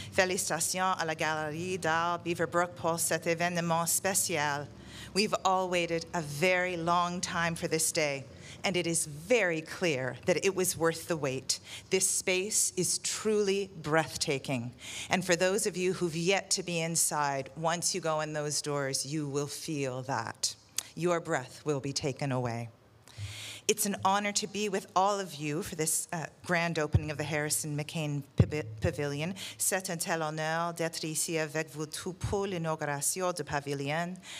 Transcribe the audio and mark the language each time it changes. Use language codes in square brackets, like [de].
[fr] Félicitations à la Galerie d'Art Beaverbrook pour cet événement spécial. [en] We've all waited a very long time for this day, and it is very clear that it was worth the wait. This space is truly breathtaking. And for those of you who've yet to be inside, once you go in those doors, you will feel that. Your breath will be taken away. It's an honor to be with all of you for this grand opening of the Harrison McCain Pavilion. [fr] C'est un tel honneur d'être ici avec vous tous pour l'inauguration du pavilion.